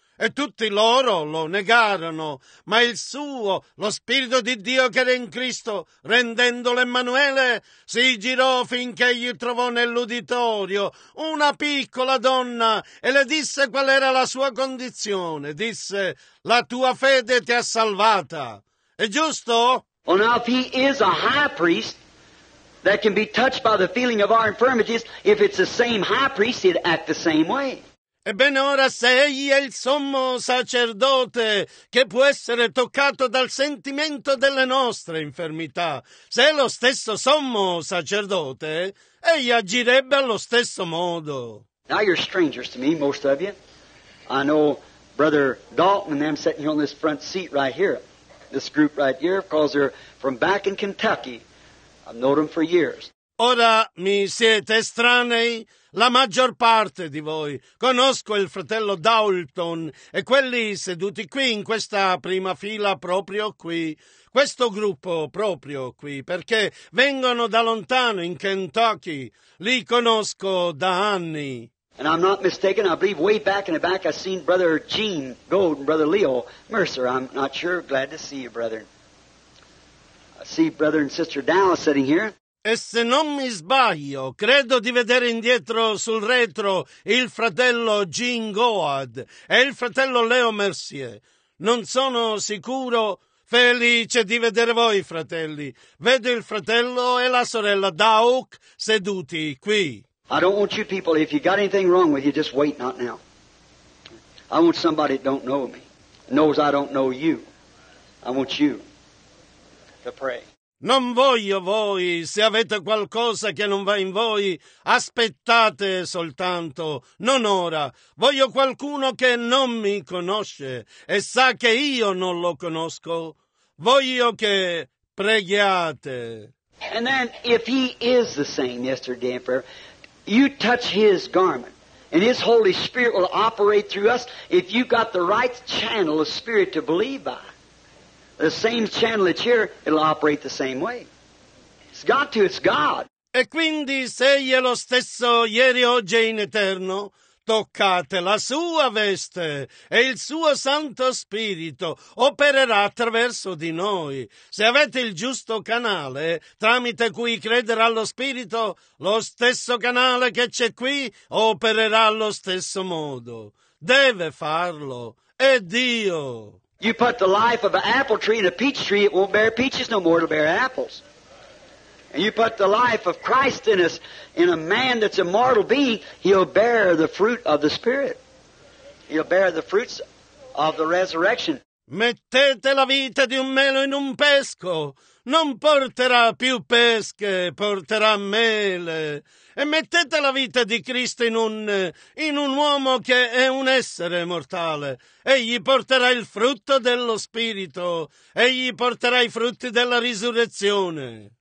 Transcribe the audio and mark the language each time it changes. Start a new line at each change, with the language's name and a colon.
Italian: E tutti loro lo negarono, ma lo Spirito di Dio che era in Cristo, rendendolo Emanuele, si girò finché gli trovò nell'uditorio una piccola donna e le disse qual era la sua condizione. Disse, "La tua fede ti ha salvata." È giusto?
English: Well, now if he is a high priest that can be touched by the feeling of our infirmities, if it's the same high priest, he'd act the same way.
Italian: Ebbene ora, se egli è il sommo sacerdote che può essere toccato dal sentimento delle nostre infermità, se è lo stesso sommo sacerdote, egli agirebbe allo stesso modo.
English: Now you're strangers to me, most of you. I know Brother Dalton and them sitting on this front seat right here, this group right here, because they're from back in Kentucky. I've known them for years.
Italian: Ora mi siete estranei? La maggior parte di voi. Conosco il fratello Dalton e quelli seduti qui in questa prima fila proprio qui. Questo gruppo proprio qui, perché vengono da lontano in Kentucky. Li conosco da anni.
English: And I'm not mistaken, I believe way back in the back I've seen Brother Gene Gold and Brother Leo Mercer. I'm not sure. Glad to see you, brother. I see Brother and Sister Dallas sitting here.
Italian: E se non mi sbaglio, credo di vedere indietro sul retro il fratello Gene Goad e il fratello Leo Mercier. Non sono sicuro, felice di vedere voi, fratelli. Vedo il fratello e la sorella Dauk seduti qui.
English: I don't want you people, if you got anything wrong with you, just wait, not now. I want somebody that don't know me, knows I don't know you. I want you to pray.
Italian: Non voglio voi, se avete qualcosa che non va in voi, aspettate soltanto, non ora. Voglio qualcuno che non mi conosce e sa che io non lo conosco. Voglio che preghiate.
English: And then, if he is the same yesterday and forever, you touch his garment, and his Holy Spirit will operate through us if you got the right channel of spirit to believe by. The same channel that's here, it'll operate the same way. It's got to, it's God.
Italian: E quindi, se egli è lo stesso ieri, oggi e in eterno, toccate la sua veste e il suo Santo Spirito opererà attraverso di noi. Se avete il giusto canale tramite cui crederà lo Spirito, lo stesso canale che c'è qui opererà allo stesso modo. Deve farlo. È Dio.
English: You put the life of an apple tree in a peach tree, it won't bear peaches no more, it'll bear apples. And you put the life of Christ in us, in a man that's a mortal being, he'll bear the fruit of the Spirit. He'll bear the fruits of the resurrection.
Italian: Mettete la vita di un melo in un pesco, non porterà più pesche, porterà mele. E mettete la vita di Cristo in un uomo che è un essere mortale. Egli porterà il frutto dello Spirito, egli porterà i frutti della risurrezione.